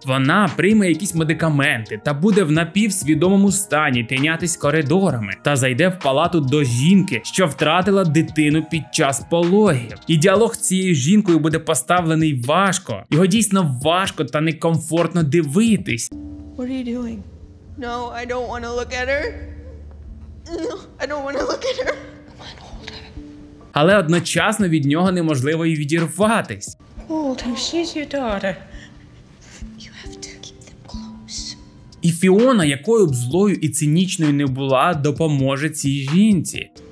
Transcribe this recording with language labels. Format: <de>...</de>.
<uk>Вона прийме якісь медикаменти та буде в напівсвідомому стані тинятись коридорами. Та зайде в палату до жінки, що втратила дитину під час пологів. І діалог з цією жінкою буде поставлений важко. Його дійсно важко та некомфортно дивитись.</uk> <en>What are you doing? No, I don't want to look at her. No, I don't want to look at her. Come on, hold her.</en> <uk>Але одночасно від нього неможливо і відірватись.</uk> <en>Hold her, she's your daughter. You have to keep them close.</en> <uk>І Фіона, якою б злою і цинічною не була, допоможе цій жінці.</uk>